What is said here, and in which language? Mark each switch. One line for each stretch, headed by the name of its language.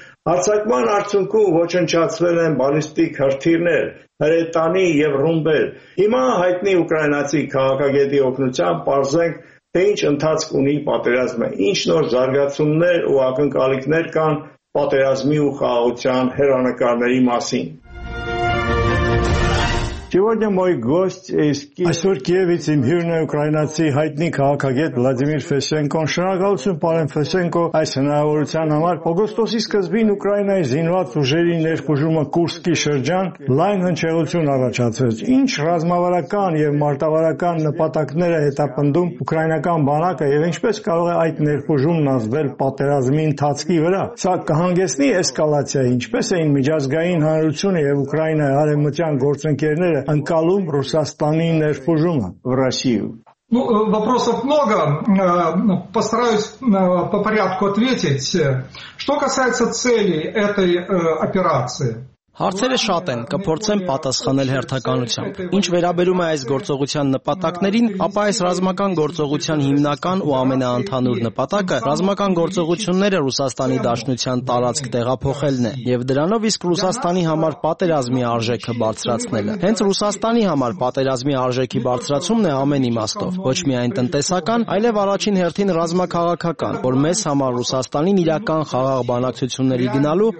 Armenian: Հարձակման արդյունքում ոչնչացվել են բալիստիկ հրթիռներ, հրետանի և ռումբեր։ Հիմա հայտնի ուկրաինացի քաղաքագետի օգնությամբ պարզենք, թե ինչ ընթացք ունի պատերազմը, ինչ նոր զարգացումներ ու ակնկալիքներ կան պատերազմի ու խաղաղության հեռանկարների մասին։
Russian: Сегодня мой гость из Киева.
Armenian: Այսօր Կիևից իմ հյուրն է ուկրաինացի հայտնի քաղաքագետ Վլադիմիր Ֆեսենկոն։ Շնորհակալություն, պարոն Ֆեսենկո, այս հնարավորության համար։ Օգոստոսի սկզբին Ուկրաինայի զինված ուժերի ներխուժումը Կուրսկի շրջան լայն հնչեղություն առաջացրեց։ Ինչ ռազմավարական և մարտավարական նպատակներ է հետապնդում ուկրաինական բանակը և ինչպես կարող է այդ ներխուժումն ազդել պատերազմի ընթացքի վրա։ Սա կհանգեցնի էսկալացիա, ինչպես էին միջազգային հանրությունը և Ուկրաինայի արևմտյան գործընկերները Анкалум Русастани Нерфужума в Россию.
Russian: Ну, вопросов много. Постараюсь по порядку ответить. Что касается цели этой операции.
Armenian: Հարցերը շատ են, կփորձեմ պատասխանել հերթականությամբ։ Ինչ վերաբերում է այս գործողության նպատակներին, ապա այս ռազմական գործողության հիմնական ու ամենաանթանուր նպատակը ռազմական գործողությունները Ռուսաստանի Դաշնության տարածք տեղափոխելն է, եւ դրանով իսկ Ռուսաստանի համար պատերազմի արժեքը բարձրացնելը։ Հենց Ռուսաստանի համար պատերազմի արժեքի բարձրացումն է ամեն իմաստով, ոչ միայն տնտեսական, այլև առաջին հերթին ռազմաքաղաքական, որ մեզ համար Ռուսաստանին իրական խաղաղ բանակցությունների գնալու